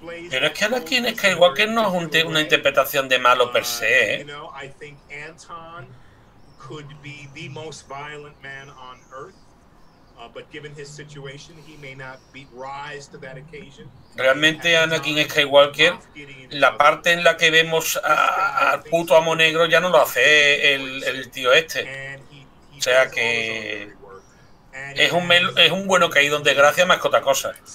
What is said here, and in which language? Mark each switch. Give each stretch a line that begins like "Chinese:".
Spanish: Pero es que Anakin Skywalker no es una interpretación de malo per se, ¿eh?
English: Anton could be the most violent man on earth. But given his situation, he may not be rise to that occasion.
Spanish: Realmente Anakin Skywalker, la parte en la que vemos al puto amo negro ya no lo hace el tío este. O sea que es un bueno caído en desgracia más que otra cosa.